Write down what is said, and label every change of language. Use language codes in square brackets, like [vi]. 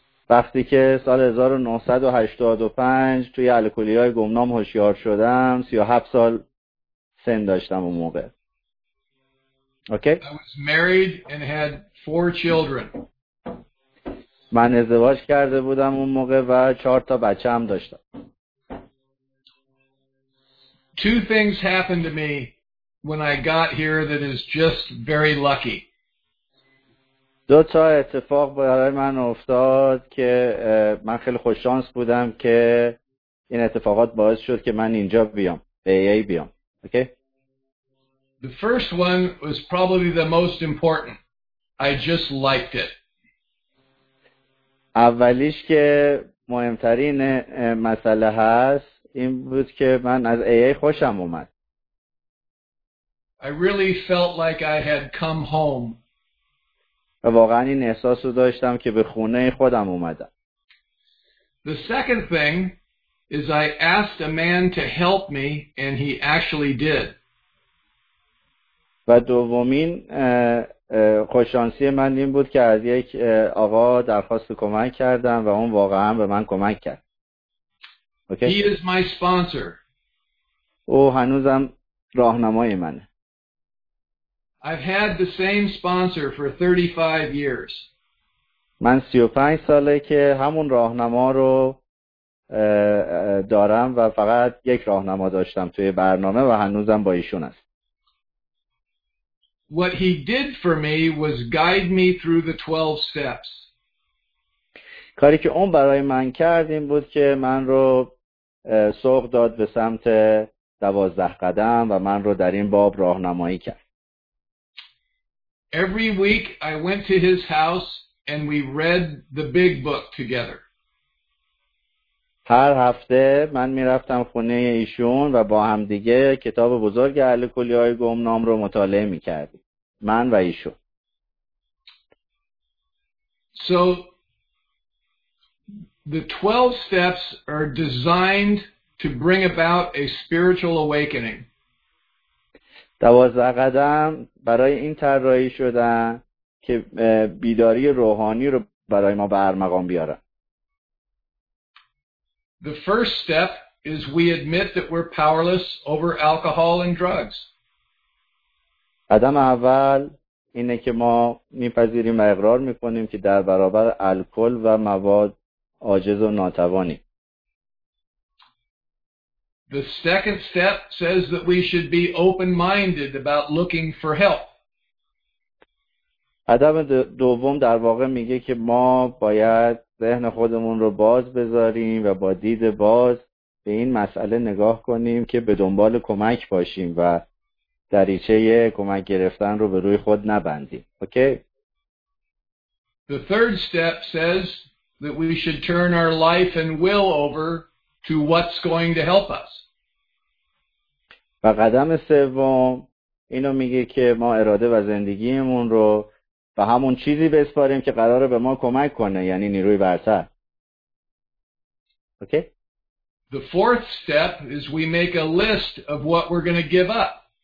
[fa] وقتی که سال 1985 توی الکلی‌های گمنام هوشیار شدم، 37 سال سن داشتم اون موقع. [en] Okay. I was married and had four children. [fa] من ازدواج کرده بودم اون موقع و 4 تا بچه هم داشتم. [en] Two things happened to me when I got here that is just very lucky. [fa] دو تا اتفاق برای من افتاد که من خیلی خوش شانس بودم که این اتفاقات باعث شد که من اینجا بیام، به ای بیام. [en] Okay. The first one was probably the most important. I just liked it. [fa] اولیش که مهمترین مسئله هست این بود که من از AA خوشم اومد. [en] I really felt like I had come home. [fa] واقعا این احساس رو داشتم که به خونه خودم اومدم. [en] The second thing is I asked a man to help me and he actually did. [fa] و دومین خوششانسی من این بود که از یک آقا درخواست کمک کردم و اون واقعا به من کمک کرد. [en] Okay. He is my sponsor. [fa] او هنوزم راهنمای منه. [en] I've had the same sponsor for 35 years. [fa] من 35 ساله که همون راهنما رو دارم و فقط یک راهنما داشتم توی برنامه و هنوزم با ایشون است. [en] What he did for me was guide me through the 12 steps. [fa] کاری که اون برای من کرد این بود که من رو سوق داد به سمت 12 قدم و من رو در این باب راهنمایی کرد. [en] Every week I went to his house and we read the big book together. [fa] هر هفته من میرفتم خونه ایشون و با هم دیگه کتاب بزرگ الکلی‌های گمنام رو مطالعه می‌کردیم. من و ایشون. [en] So the 12 steps are designed to bring about a spiritual awakening. [fa] 12 قدم برای این طراحی شدن که بیداری روحانی رو برای ما برمقام بیارن. [en] The first step is we admit that we're powerless over alcohol and drugs. [fa] قدم اول اینه که ما میپذیریم و اقرار میکنیم که در برابر الکل و مواد عاجز و ناتوانیم. [en] The second step says that we should be open-minded about looking for help. [fa] قدم دوم در واقع میگه که ما باید ذهن خودمون رو باز بذاریم و با دید باز به این مسئله نگاه کنیم که به دنبال کمک باشیم و دریچه کمک گرفتن رو به روی خود نبندیم. [en] Okay. The third step says that we should turn our life and will over to what's going to help us. [fa] و قدم سوم اینو میگه که ما اراده و زندگیمون رو به همون چیزی بسپاریم که قراره به ما کمک کنه، یعنی نیروی برتر. [en] Okay. The fourth step is we make a list of what we're going to give up.